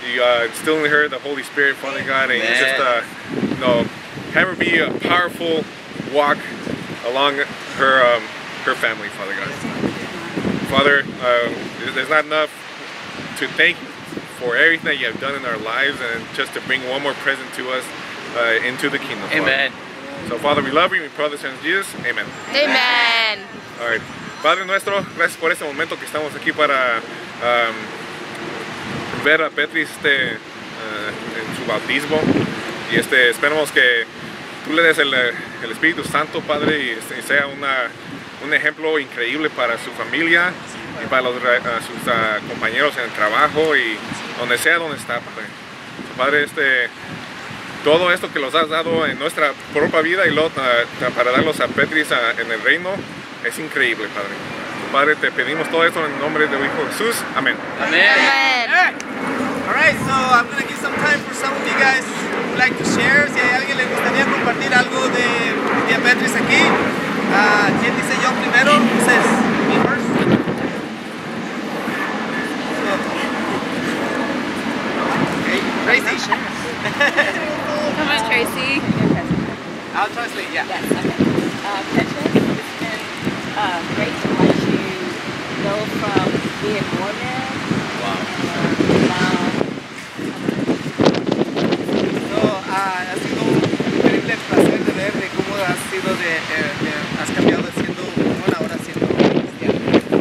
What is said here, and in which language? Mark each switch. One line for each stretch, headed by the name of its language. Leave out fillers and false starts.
English: You instill in her the Holy Spirit, Father God, and just you know, have her be a powerful walk along her her family, Father God. Father, there's not enough to thank you for everything that you have done in our lives and just to bring one more present to us into the kingdom. Amen. Father. So, Father, we love you. We pray this in Jesus. Amen. Amen. All right.
Spanish: Padre nuestro, gracias por este momento que estamos aquí para ver a Petri en su bautismo. Y esperamos que tú le des el Espíritu Santo, Padre, y sea un ejemplo increíble para su familia y para los, sus compañeros en el trabajo y donde sea donde está, Padre. So, Padre, todo esto que los has dado en nuestra propia vida y para darlos a Petri en el reino, es increíble, Padre. So, Padre, te pedimos todo esto en nombre de tu Hijo Jesús. Amén. Amén.
English: All right, so I'm going to give some time for some of you guys who like to share.
Spanish: Si hay alguien le gustaría compartir algo de Petri aquí. ¿Quién dice yo primero? Dices,
English: me first. Tracy. Come on, Tracy. I'll translate, Petra, it's been great to watch you go from being Mormon. Wow.
Spanish: Ha sido un increíble placer de ver de cómo has sido de has cambiado de siendo mormón ahora siendo cristiano.